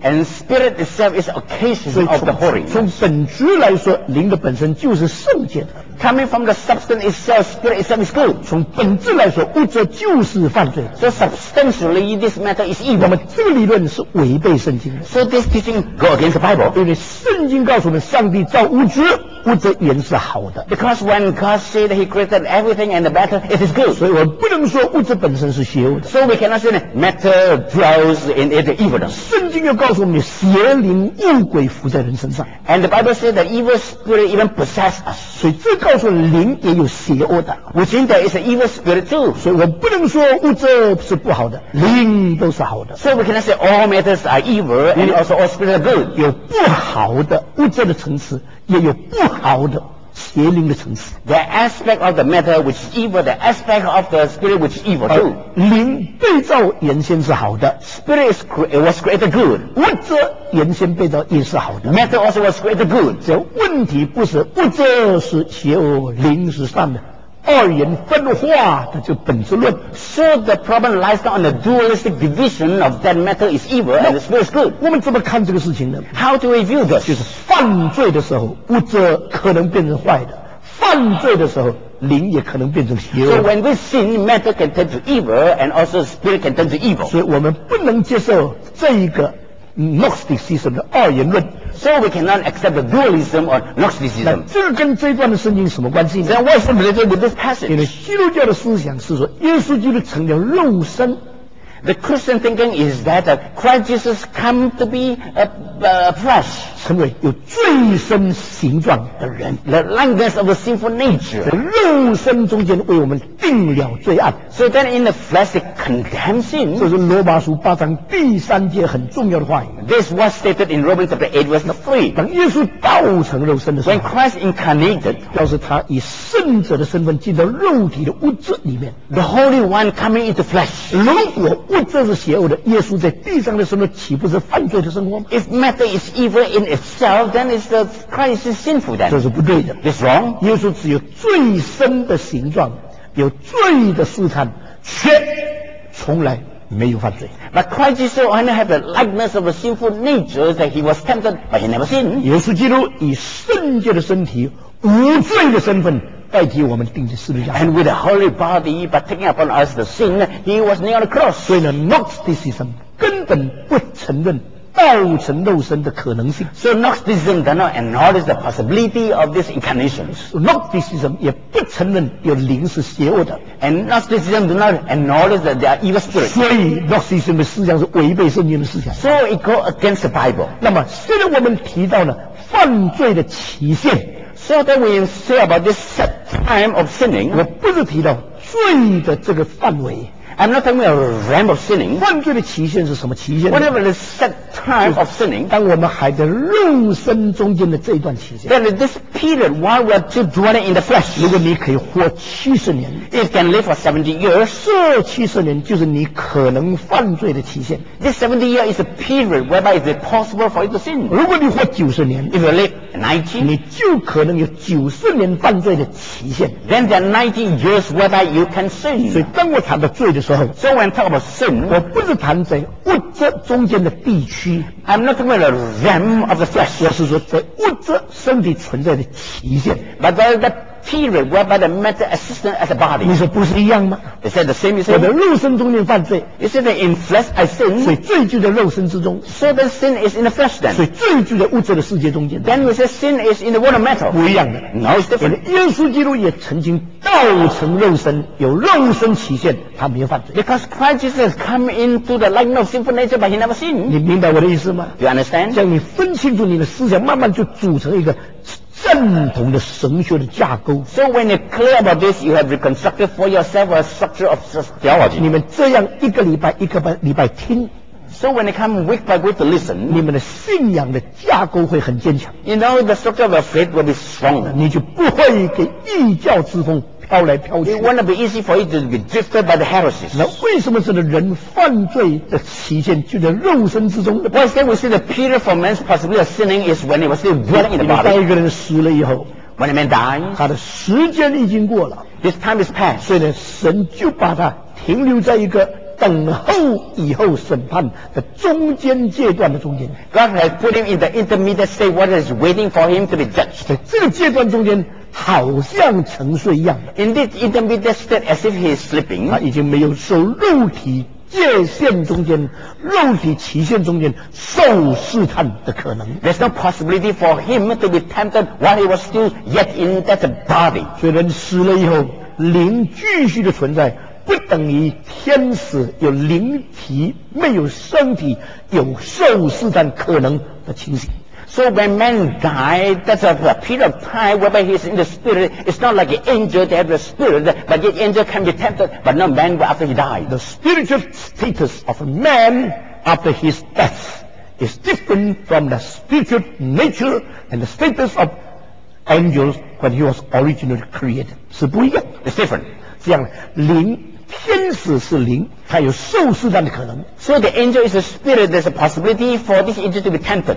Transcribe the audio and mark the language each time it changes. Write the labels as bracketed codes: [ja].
[en] And spirit itself is occasion of the holy. [zh] 从本质来说，灵的本身就是圣洁的。 [en] Coming from the substance itself, spirit itself is good. [zh] 从本质来说，物质就是犯罪。 [en] So substantially, this matter is evil. [zh] 那么这个理论是违背圣经的。 [en] So this teaching go against the Bible. [zh] 因为圣经告诉我们，上帝造物质。物质原是好的 [en] ，because when God said He created everything and the matter, it is good. [zh] 所以我不能说物质本身是邪恶的。 [en] So we cannot say matter dwells in it evil. [zh] 圣经又告诉我们，邪灵恶鬼附在人身上。 [en] And the Bible said that evil spirit even possess us. [zh] 所以这告诉灵也有邪恶的。 [en] Which means there is an evil spirit too. [zh] 所以我不能说物质是不好的，灵都是好的。 [en] So we cannot say all matters are evil and also all spirits are good. [zh] 有不好的物质的层次。也有不好的邪灵的层次 [en] The aspect of the matter which is evil The aspect of the spirit which is evil too [zh] 灵被造原先是好的 [en] Spirit is it was created good [zh] 物质原先被造也是好的 [en] Matter also was created good [zh] 这问题不是物质是邪恶灵是善的二元分化的就本质论 [en] So the problem lies not on the dualistic division of that matter is evil and the spirit is good [zh] 我们怎么看这个事情呢 [en] How do we view this [zh] 就是犯罪的时候物质可能变成坏的犯罪的时候灵也可能变成邪恶 [en] So when we sin matter can turn to evil and also spirit can turn to evil [zh] 所以我们不能接受这一个 Gnosticism 的二元论 [en] So we cannot accept the dualism or Gnosticism. [zh] 那这个跟这一段的圣经什么关系呢 [en] Then what is related with this passage? [zh] 因为基督教的思想是说，耶稣基督成了肉身， [en] The Christian thinking is that Christ Jesus come to be a flesh, [zh] 成为有罪身形状的人 [en] ，the likeness of a sinful nature， [zh] 在肉身中间为我们定了罪案。 [en] So then in the flesh it condemns sin。 [zh] 这是罗马书八章第三节很重要的话语。 [en] This was stated in Romans chapter 8 verse 3。 [zh] 当耶稣道成肉身的时候 [en] ，when Christ incarnated， [zh] 表示他以圣者的身份进到肉体的物质里面 [en] ，the Holy One coming into flesh。 [zh] 如果物质是邪恶的，耶稣在地上的生活岂不是犯罪的生活吗 [en] ？If matter is evil in itself, then is the Christ is sinful then. [zh] 这是不对的。 [en] It's wrong. [zh] 耶稣只有最深的形状，有罪的试探，却从来没有犯罪。 [en] But Christ Jesus only have the likeness of a sinful nature that he was tempted, but he never sinned. [zh] 耶稣基督以圣洁的身体，无罪的身份。代替我们钉在十字架 [en] and with a holy body but taking upon us the sin he was nailed on the cross [zh] 所以呢 Gnosticism 根本不承认道成肉身的可能性 [en] so Gnosticism does not acknowledge the possibility of this incarnation [zh] Gnosticism 也不承认有灵是邪恶的 [en] and Gnosticism does not acknowledge that there are evil spirits [zh] 所以 Gnosticism 的思想是违背圣经的思想 [en] so it goes against the Bible [zh] 那么现在我们提到了犯罪的期限 [en] So that we say about this set time of sinning, [zh] 我不是提到罪的这个范围。 [en] I'm not talking about the realm of sinning. [zh] 犯罪的期限是什么期限 [en] ？Whatever the set time of sinning, [zh] 当我们还在肉身中间的这一段期限。 [en] Then this period while we're still dwelling in the flesh. [zh] 如果你可以活七十年 [en] ，It can live for 70 years. [zh] 这七十年就是你可能犯罪的期限。 [en] This 70 years is a period whereby it's possible for you to sin. [zh] 如果你活九十年 [en] ，If you live 90, [zh] 你就可能有九十年犯罪的期限。 [en] Then there are 90 years whereby you can sin. [zh] 所以当我谈到罪的时候 [en] ，So when talk about sin， [zh] 我不是谈在物质中间的地区。 [en] I'm not talking about the realm of the flesh。 [zh] 我是说在物质身体存在的期限。 [en] But the period whereby the matter existed as a body。 [zh] 你说不是一样吗 [en] ？They said the same thing。 [zh] 我的肉身中间犯罪 [en] ，You said that in flesh I sin。 [zh] 所以罪就在肉身之中。 [en] So the sin is in the flesh then。 [zh] 所以罪就在物质的世界中间。 [en] Then we said sin is in the world of matter。 [zh] 不一样的。 [en] No, it's different。 [zh] 耶稣基督也曾经道成肉身，有肉身期限，他没有犯罪。 [en] Because Christ Jesus come into the likeness of sinful nature, but he never sin。 [zh] 你明白我的意思吗 [en] ？You understand？ [zh] 这样你分清楚你的思想，慢慢就组成一个。正统的神学的架构。 [en] So when you clear about this, you have reconstructed for yourself a structure of theology. [zh] 你们这样一个礼拜一个礼拜听。 [en] So when you come week by week to listen, [zh] 你们的信仰的架构会很坚强。 [en] You know the structure of your faith will be strong. [zh] 你就不会给异教之风飘来飘去。 [en] It won't be easy for you to be drifted by the heresies. [zh] 那为什么是人犯罪的期限就在肉身之中呢 [en] ？Once again, we see the period for man's possibility of sinning is when he was still dwelling in the body. [zh] 当一个人死了以后 [en] ，When a man dies, [zh] 他的时间已经过了 [en] ，His time is past. [zh] 所以呢，神就把他停留在一个。等候以后审判的中间阶段的中间 [en] God has put him in the intermediate state what is waiting for him to be judged [zh] 在这个阶段中间好像沉睡一样 [en] In this intermediate state as if he is sleeping [zh] 他已经没有受肉体界限中间肉体期限中间受试探的可能 [en] There's no possibility for him to be tempted while he was still yet in that body [zh] 所以人死了以后灵继续的存在不等于天使有灵体没有身体有受试探可能的情形 [en] So when man died that's a period of time whereby he is in the spirit it's not like an angel that has the spirit but the angel can be tempted but not man after he died The spiritual status of a man after his death is different from the spiritual nature and the status of angels when he was originally created [zh] 是不一样 [en] It's different [zh] 这样灵天使是灵，它有受试探的可能。 [en] So the angel is a spirit. There's a possibility for this angel to be tempted.